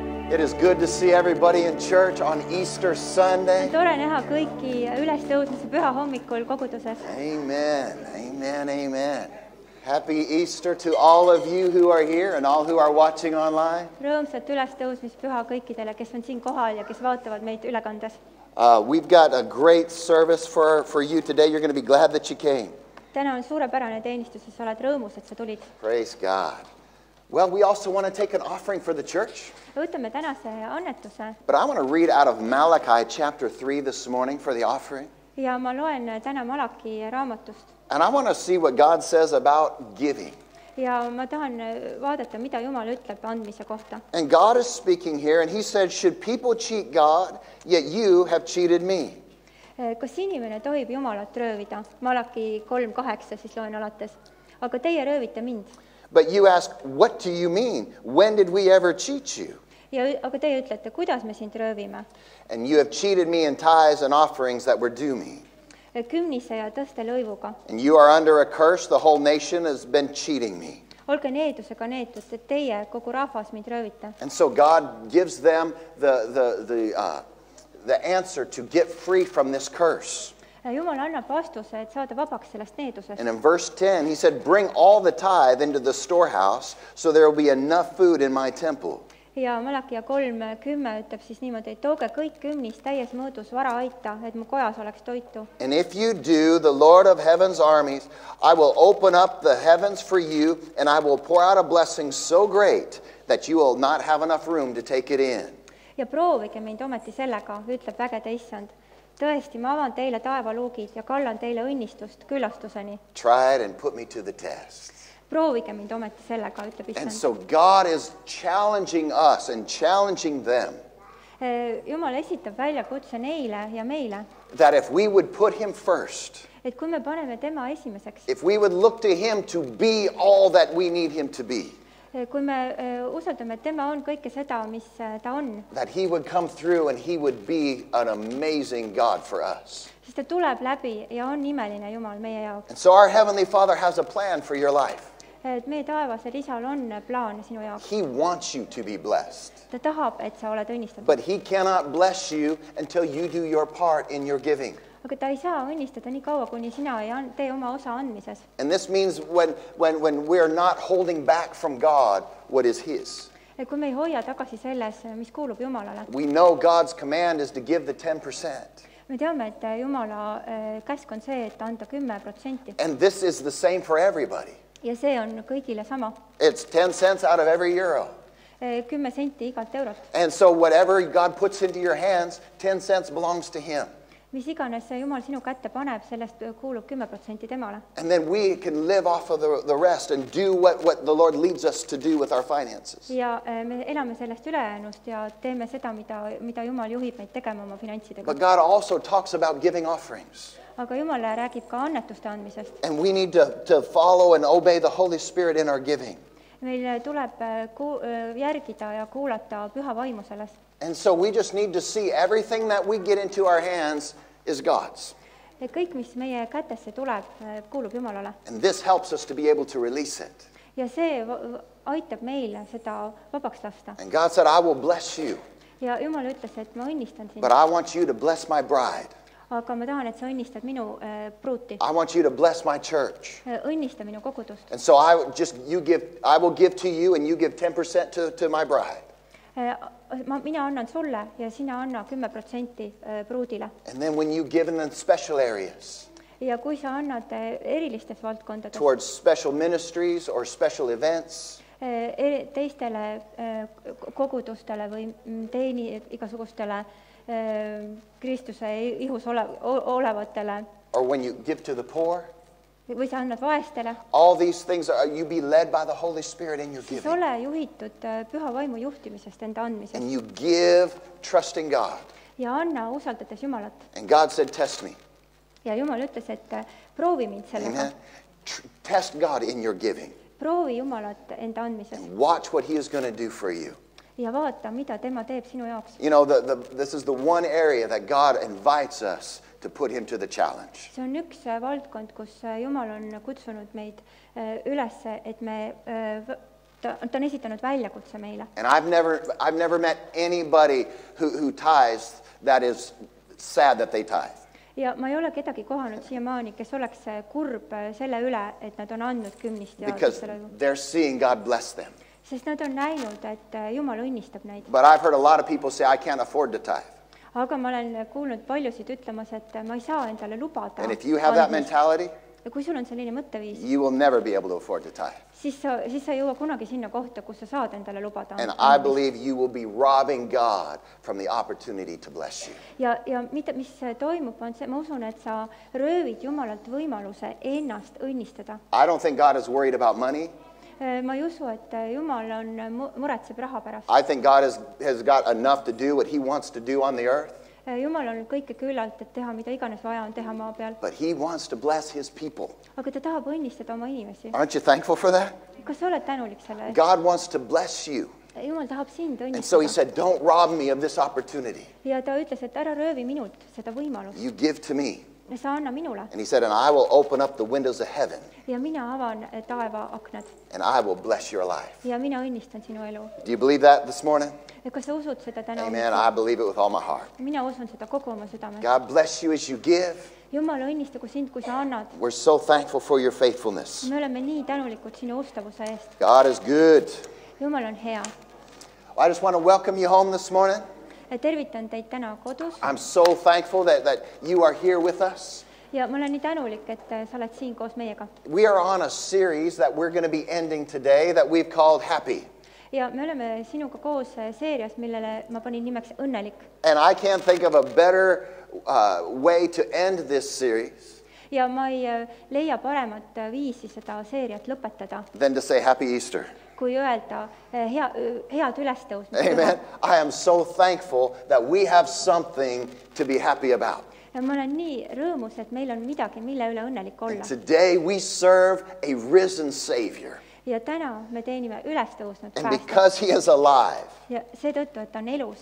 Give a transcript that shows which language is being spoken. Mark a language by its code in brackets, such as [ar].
[en] It is good to see everybody in church on Easter Sunday. Amen. Amen. Amen. Happy Easter to all of you who are here and all who are watching online. [et] Rõõmsat ülestõusmispüha kõikidele, kes on siin kohal ja kes vaatavad meid ülekandes. [en] We've got a great service for you today. You're going to be glad that you came. [et] Täna on suurepärane teenistus, sa oled rõõmus, et sa tulid. [en] Praise God. Well, we also want to take an offering for the church. [et] Võtame tänase annetuse. [en] But I want to read out of Malachi chapter 3 this morning for the offering. [et] Ja ma loen täna Malachi raamatust. [en] And I want to see what God says about giving. [et] Ja ma tahan vaadata, mida Jumal ütleb andmise kohta. [en] And God is speaking here, and he said, should people cheat God, yet you have cheated me? [et] Kas inimene tohib Jumalat röövida? Malachi 3:8 siis loen alates. Aga teie röövite mind. [en] But you ask, what do you mean? When did we ever cheat you? [et] Ja, aga teie ütlete, kuidas me sind röövime? [en] And you have cheated me in tithes and offerings that were due me. [et] Kümnise ja tõste lõivuga. [en] And you are under a curse. The whole nation has been cheating me. [et] Olge needusega needus, et teie kogu rahvas mind röövite. [en] And so God gives them the answer to get free from this curse. [et] Jumal annab vastuse, et saada vabaks sellest needusest. [en] And in verse 10, he said, bring all the tithe into the storehouse, so there will be enough food in my temple. [et] Ja Malachi 3:10 ütleb siis niimoodi, et tooge kõik kümnis täies mõõdus vara aita, et mu kojas oleks toitu. [en] And if you do, the Lord of heaven's armies, I will open up the heavens for you, and I will pour out a blessing so great that you will not have enough room to take it in. [et] Ja proovige mind ometi sellega, ütleb vägede issand. Tõesti, ma avan teile taevaluugid ja kallan teile õnnistust küllastuseni. [en] Try it and put me to the test. [et] Proovige mind ometi sellega, ütleb issand. [en] And so God is challenging us and challenging them. [et] Jumal esitab välja kutse neile ja meile. [en] That if we would put him first. [et] Et kui me paneme tema esimeseks. [en] If we would look to him to be all that we need him to be. [et] Kui me usaldame, et tema on kõike seda, mis ta on. [en] That he would come through and he would be an amazing God for us. [et] Sest ta tuleb läbi ja on imeline Jumal meie jaoks. [en] And so our Heavenly Father has a plan for your life. [et] Et meie taevasel isal on plaan sinu jaoks. [en] He wants you to be blessed. [et] Ta tahab, et sa oled õnnistatud. [en] But he cannot bless you until you do your part in your giving. [et] Aga ta ei saa õnnistada nii kaua, kuni sina ei tee oma osa andmises. [en] And this means when we are not holding back from God what is his. [et] Kui me ei hoia tagasi selles, mis kuulub Jumalale. [en] We know God's command is to give the 10%. [et] Me teame, et Jumala käsk on see, et anda 10%. [en] And this is the same for everybody. [et] Ja see on kõigile sama. [en] It's 10 cents out of every euro. [et] 10 senti igalt eurot. [en] And so whatever God puts into your hands, 10 cents belongs to him. [et] Mis iganes see Jumal sinu kätte paneb, sellest kuulub 10% temale. [en] And then we can live off of the rest and do what the Lord leads us to do with our finances. [et] Ja me elame sellest ülejäänust ja teeme seda, mida Jumal juhib meid tegema oma finantsidega. [en] But God also talks about giving offerings. [et] Aga Jumal räägib ka annetuste andmisest. [en] And we need to follow and obey the Holy Spirit in our giving. [et] Meil tuleb järgida ja kuulata püha vaimu sellest. [en] And so we just need to see everything that we get into our hands is God's. [et] Ja kõik, mis meie kätesse tuleb, kuulub Jumalale. [en] And this helps us to be able to release it. [et] Ja see aitab meile seda vabaks lasta. [en] And God said, I will bless you. [et] Ja Jumal ütles, et ma õnnistan sind. [en] But I want you to bless my bride. [et] Aga ma tahan, et sa õnnistad minu pruuti. [en] I want you to bless my church. [et] Õnnista minu kogudust. [en] And so I will give to you and you give 10% to my bride. [et] Mina annan sulle ja sina anna 10% pruudile. [en] And then when you give in the special areas. [et] Ja kui sa annad erilistes valdkondades. [en] Towards special ministries or special events. [et] Teistele kogudustele või teeni igasugustele Kristuse ihus olevatele. [en] Or when you give to the poor. [et] Või sa annad vaestele. [en] All these things are you be led by the Holy Spirit in your giving. [et] Siis ole juhitud püha vaimu juhtimisest enda andmisest. [en] And you give trusting God. [et] Ja anna usaldades Jumalat. [en] And God said test me. [et] Ja Jumal ütles, et proovi mind sellega. [en] Amen. Test God in your giving. [et] Proovi Jumalat enda andmisest. [en] And watch what he is going to do for you. [et] Ja vaata, mida tema teeb sinu jaoks. [en] You know, this is the one area that God invites us to put him to the challenge. [et] See on üks valdkond, kus Jumal on kutsunud meid ülesse, et me ta on esitanud väljakutse meile. [en] And I've never met anybody who ties that is sad that they tie. [et] Ja ma ei ole kedagi kohanud siia maani, kes oleks kurb selle üle, et nad on andnud kümnist ja [en] Because they're seeing God bless them. [et] Sest nad on näinud, et Jumal õnnistab neid. [en] But I've heard a lot of people say I can't afford to tithe. [et] Aga ma olen kuulnud paljusid ütlemas, et ma ei saa endale lubada. [en] And if you have that mentality, [et] ja kui sul on selline mõtteviis, [en] you will never be able to afford to tithe. [et] Siis sa ei jõua kunagi sinna kohta, kus sa saad endale lubada. [en] And I believe you will be robbing God from the opportunity to bless you. [et] Ja mis toimub on see, ma usun, et sa röövid Jumalalt võimaluse ennast õnnistada. [en] I don't think God is worried about money. [et] Ma ei usu, et Jumal on muretseb raha pärast. [en] I think God has got enough to do what he wants to do on the earth. [et] Jumal on kõike küllalt, et teha, mida iganes vaja on teha maa peal. [en] But he wants to bless his people. [et] Aga ta tahab õnnistada oma inimesi. [en] Aren't you thankful for that? [et] Kas sa oled tänulik selle? [en] God wants to bless you. [et] Jumal tahab sind õnnistada. [en] And so he said, don't rob me of this opportunity. [et] Ja ta ütles, et ära röövi minult seda võimalust. [en] You give to me. [et] Ja sa anna minule. [en] And he said, and I will open up the windows of heaven. [et] Ja mina avan taeva aknad. [en] And I will bless your life. [et] Ja mina õnnistan sinu elu. [en] Do you believe that this morning? [et] Kas sa usud seda täna? [en] Amen, I believe it with all my heart. [et] Mina usun seda kogu oma südame. [en] God bless you as you give. [et] Jumal õnnistagu sind, kui sa annad. [en] We're so thankful for your faithfulness. [et] Me oleme nii tänulikud sinu ustavuse eest. [en] God is good. [et] Jumal on hea. [en] I just want to welcome you home this morning. [et] Tervitan teid täna kodus. [en] I'm so thankful that you are here with us. [et] Ja ma olen nii tänulik, et sa oled siin koos meiega. [en] We are on a series that we're going to be ending today that we've called Happy. [et] Ja me oleme sinuga koos seerias, millele ma panin nimeks Õnnelik. [en] And I can't think of a better way to end this series. [et] Ja ma ei leia paremat viisi seda seeriat lõpetada. [en] Than to say Happy Easter. [et] Kui öelda head ülestõusmist. [en] Amen. I am so thankful that we have something to be happy about. [et] Ja ma olen nii rõõmus, et meil on midagi, mille üle õnnelik olla. [en] And today we serve a risen Savior. [et] Ja täna me teenime ülestõusnud päästet. [en] And because he is alive, [et] ja see tõttu, et ta on elus,